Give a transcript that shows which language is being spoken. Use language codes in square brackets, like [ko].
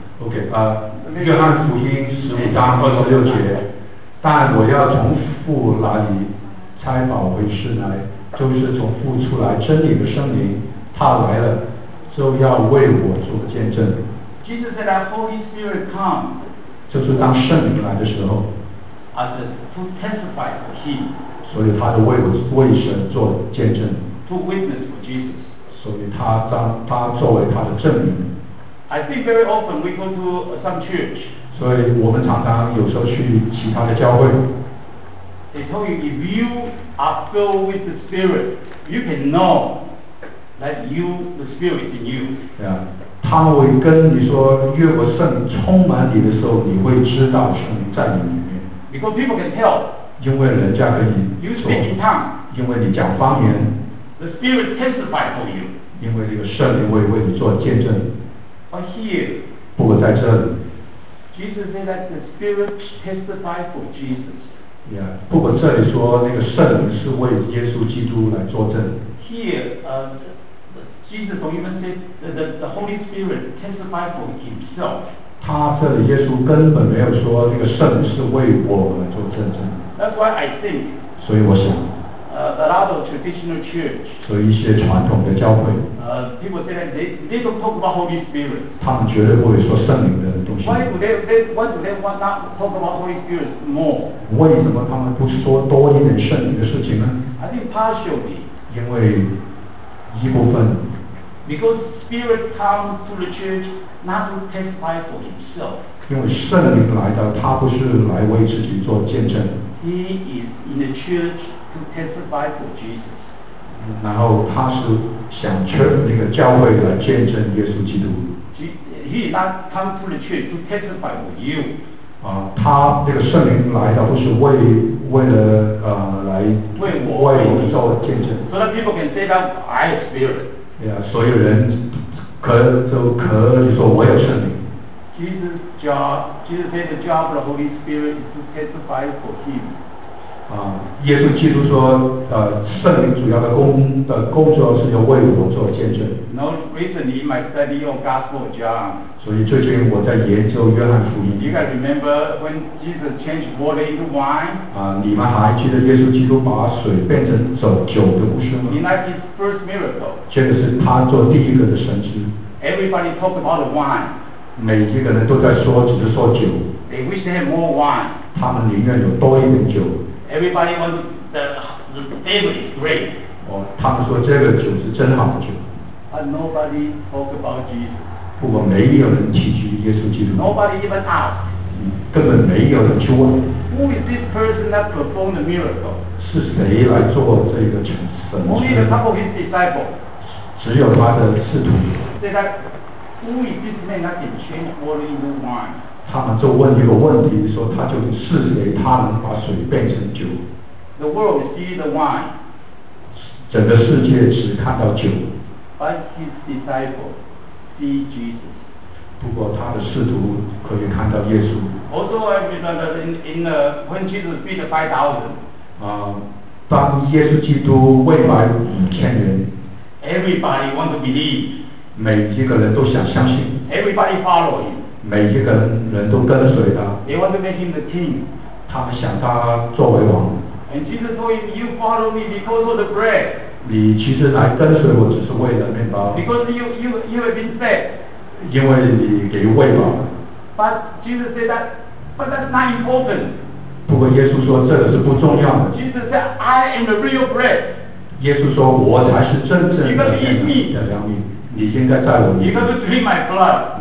[zh] 哦，来来来，欢迎。OK， 约翰福音十五章二十六节，但我要从父那里差保惠师来，就是从父出来真理的圣灵，他来了，就要为我做见证。 [en] Jesus said that Holy Spirit come， [zh] 就是当圣灵来的时候。 [en] As to testify for him， [zh] 所以他就为神做见证。 [en] To witness for Jesus。 [zh] 所以他作为他的证明。 [en] I think very often we go to some church。 [zh] 所以我们常常有时候去其他的教会。 [en] They tell you if you are filled with the Spirit, you can know that you the Spirit is in you。 [zh] Yeah， 他会跟你说，越过圣灵充满你的时候，你会知道圣灵在你里面。 [en] Because people can tell。 [zh] 因为人家可以。 [en] You speak in tongues。 [zh] 因为你讲方言。 [en] The Spirit testifies for you。 [zh] 因为这个圣灵会为你做见证。 [en] But here。 [zh] 不过在这里。 [en] Jesus said that the Spirit testifies for Jesus。 [zh] Yeah， 不过这里说那个圣灵是为耶稣基督来作证。 [en] Here， Jesus don't even say the Holy Spirit testifies for himself。 [zh] 他这里耶稣根本没有说那个圣灵是为我来做见证。 [en] That's why I think。 [zh] 所以我想。 [en] A lot of traditional church。 [zh] 所以一些传统的教会。 [en] People say that they don't talk about Holy Spirit。 [zh] 他们绝对不会说圣灵的东西。 [en] Why do they want not talk about Holy Spirit more？ [zh] 为什么他们不说多一点圣灵的事情呢 [en] ？I think partially。 [zh] 因为一部分。 [en] Because Spirit comes to the church not to testify for himself。 [zh] 因为圣灵来的，他不是来为自己做见证。 [en] He is in the church。 To testify for Jesus， [zh] 然后他是想劝那个教会来见证耶稣基督。 [en] He is not come to the church to testify for you。 [zh] 他那个圣灵来的不是为了来为我为我们做见证。 [en] So that people can say that I have Spirit。 [zh] Yeah， 所有人可以说我有圣灵。 [en] Jesus said the job of the Holy Spirit is to testify for him。 [zh] 耶稣基督说，圣灵主要的工作是要为我做见证。 [en] No, recently in my study on Gospel of John。 [zh] 所以最近我在研究约翰福音。 [en] You guys remember when Jesus changed water into wine？ [zh] 你们还记得耶稣基督把水变成酒的故事吗 [en] ？In that his first miracle。 [zh] 这个是他做第一个的神迹。 [en] Everybody talked about the wine。 [zh] 每一个人都在说，只是说酒。 [en] They wish they had more wine。 [zh] 他们宁愿有多一点酒。 [en] Everybody wants the flavor is great。 [zh] 他们说这个酒是真好酒。 [en] But nobody talk about Jesus。 [zh] 不过没有人提及耶稣基督。 [en] Nobody even ask。 [zh] 根本没有人去问。 [en] Who is this person that performed the miracle？ [zh] 是谁来做这个神迹 [en] ？Only a couple of his disciples。 [zh] 只有他的侍徒。 [en] Say that who is this man that can change water into wine？ [zh] 他们就问一个问题，说他就是谁，他能把水变成酒。 [en] The world see the wine。 [zh] 整个世界只看到酒。 [en] But his disciples see Jesus。 [zh] 不过他的使徒可以看到耶稣。 [en] Also, I remember when Jesus feed the 5,000。 [zh] 当耶稣基督喂饱5,000人。 [en] Everybody want to believe。 [zh] 每一个人都想相信。 [en] Everybody follow him。 [zh] 每一个人都跟随他。 [en] They want to make him the king。 [zh] 他们想他作为王。 [en] And Jesus told him, "You follow me because of the bread." [zh] 你其实来跟随我只是为了面包。 [en] Because you have been fed。 [zh] 因为你给喂饱。 [en] But Jesus said that, but that's not important。 [zh] 不过耶稣说这个是不重要的。 [en] Jesus said, "I am the real bread." [zh] 耶稣说我才是真正的粮饼。 [en] You can eat me。 [zh] 你现在在我。 [en] You have to drink my blood。